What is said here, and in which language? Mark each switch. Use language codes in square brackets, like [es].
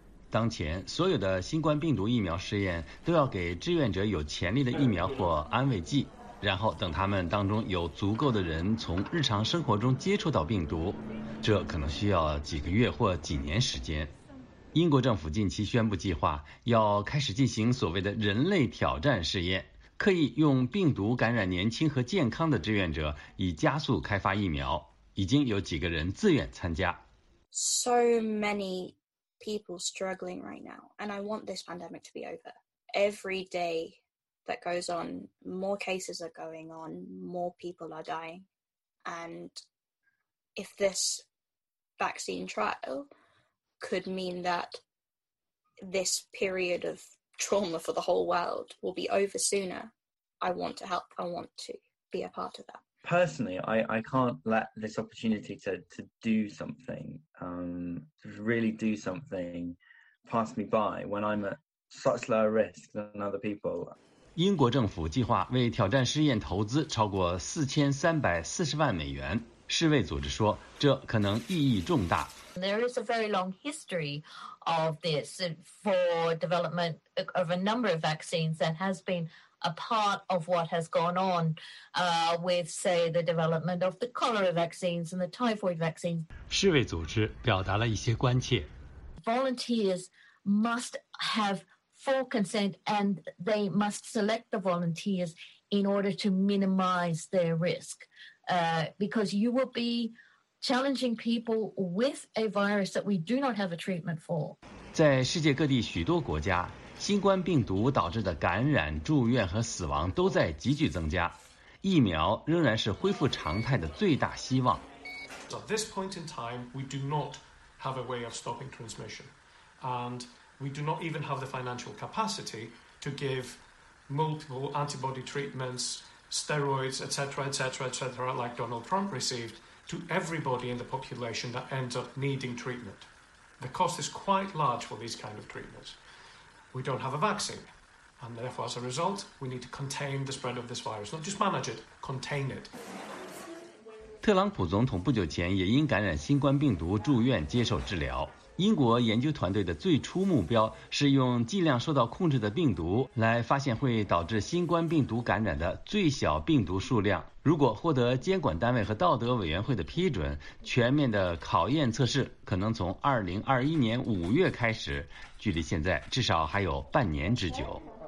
[zh] 当前，所有的新冠病毒疫苗试验都要给志愿者有潜力的疫苗或安慰剂，然后等他们当中有足够的人从日常生活中接触到病毒，这可能需要几个月或几年时间。英国政府近期宣布计划要开始进行所谓的人类挑战试验，刻意用病毒感染年轻和健康的志愿者，以加速开发疫苗。已经有几个人自愿参加。 [en] So many people struggling right now, and I want this pandemic to be over. Every day that goes on, more cases are going on, more people are dying. And if this vaccine trial could mean that this period of trauma for the whole world will be over sooner, I want to help. I want to be a part of that. Personally, I can't let this opportunity to do something, to really do something, pass me by when I'm at such lower risk than other people. [zh] 英国政府计划为挑战试验投资超过$43,400,000。世卫组织说，这可能意义重大。 [en] There is a very long history of this for development of a number of vaccines that has been a part of what has gone on, with, say, the development of the cholera vaccines and the typhoid vaccines. [zh] 世卫组织表达了一些关切。 [en] Volunteers must have full consent and they must select the volunteers in order to minimize their risk. Because you will be challenging people with a virus that we do not have a treatment for. [zh] 在世界各地许多国家，新冠病毒导致的感染、住院和死亡都在急剧增加，疫苗仍然是恢复常态的最大希望。 [en] So at this point in time, we do not have a way of stopping transmission, and we do not even have the financial capacity to give multiple antibody treatments. Steroids, etc., etc., etc., like Donald Trump received, to everybody in the population that ends up needing treatment. The cost is quite large for these kind of treatments. We don't have a vaccine, and therefore, as a result, we need to contain the spread of this virus, not just manage it, contain it. [zh] 特朗普总统不久前也因感染新冠病毒住院接受治疗。英国研究团队的最初目标是用尽量受到控制的病毒来发现会导致新冠病毒感染的最小病毒数量。如果获得监管单位和道德委员会的批准，全面的考验测试可能从2021年5月开始，距离现在至少还有半年之久。